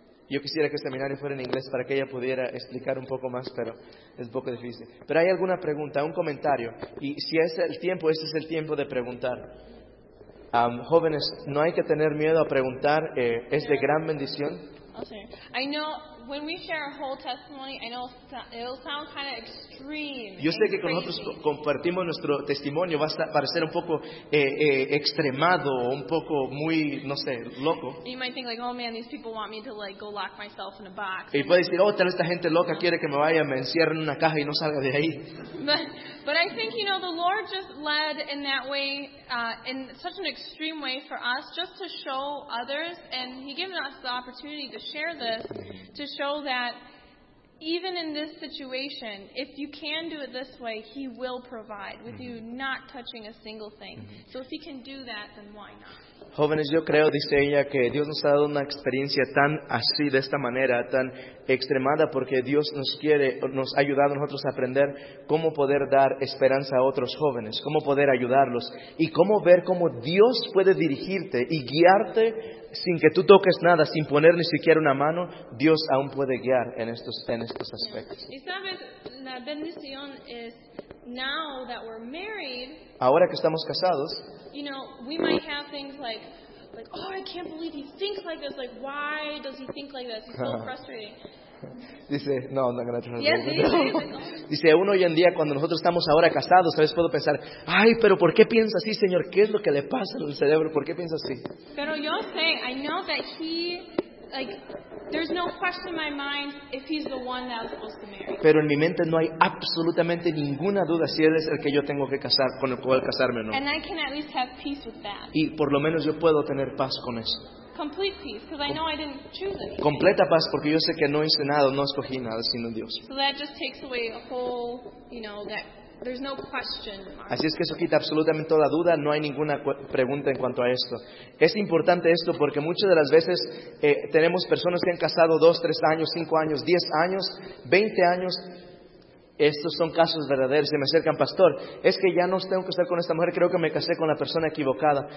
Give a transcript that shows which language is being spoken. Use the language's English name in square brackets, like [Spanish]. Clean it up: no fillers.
[Spanish] Yo quisiera que el seminario fuera en inglés para que ella pudiera explicar un poco más, pero es un poco difícil. Pero hay alguna pregunta, un comentario. Y si es el tiempo, ese es el tiempo de preguntar. Jóvenes, no hay que tener miedo a preguntar. Es de gran bendición. [English] I know when we share a whole testimony, I know it'll sound kind of extreme. [Spanish] Yo sé que cuando nosotros compartimos nuestro testimonio va a parecer un poco extremado o un poco muy, no sé, loco. [English] You might think like, oh man, these people want me to like go lock myself in a box. [Spanish] Y puedes decir, tal vez esta gente loca quiere que me vaya, me encierre en una caja y no salga de ahí. [English] But I think, you know, the Lord just led in that way, in such an extreme way for us, just to show others, and He gave us the opportunity to share this, to show that even in this situation, if you can do it this way, He will provide with you not touching a single thing. So if He can do that, then why not? [Spanish] Jóvenes, yo creo, dice ella, que Dios nos ha dado una experiencia tan así, de esta manera, tan extremada, porque Dios nos ha ayudado a nosotros a aprender cómo poder dar esperanza a otros jóvenes, cómo poder ayudarlos y cómo ver cómo Dios puede dirigirte y guiarte sin que tú toques nada, sin poner ni siquiera una mano. Dios aún puede guiar en estos aspectos. Y sabes, la bendición es, [English] now that we're married, [Spanish] ahora que estamos casados, [English] you know, we might have things like, oh, I can't believe he thinks like this. Like, why does he think like this? He's so frustrating. [Spanish] Dice, no, no, gracias. [English] Yes, yes. [Spanish] Dice, uno hoy en día, cuando nosotros estamos ahora casados, a veces puedo pensar, ay, pero ¿por qué piensa así, Señor? ¿Qué es lo que le pasa en el cerebro? ¿Por qué piensa así? Pero yo sé, [English] I know that he, like, there's no question in my mind if he's the one that I'm supposed to marry. [Spanish] Pero en mi mente no hay absolutamente ninguna duda si él es el que yo tengo que casar, con el cual casarme o no. [English] And I can at least have peace with that. [Spanish] Y por lo menos yo puedo tener paz con eso. [English] Complete peace, because I know I didn't choose anything. [Spanish] Completa paz, porque yo sé que no hice nada, no escogí nada, sino Dios. [English] So that just takes away a whole, you know, that There's no question mark. [Spanish] Así es que eso quita absolutamente toda duda, no hay ninguna pregunta en cuanto a esto. Es importante esto porque muchas de las veces tenemos personas que han casado 2, 3 años, 5 años, 10 años, 20 años. Estos son casos verdaderos. Se me acercan, pastor, es que ya no tengo que estar con esta mujer, creo que me casé con la persona equivocada.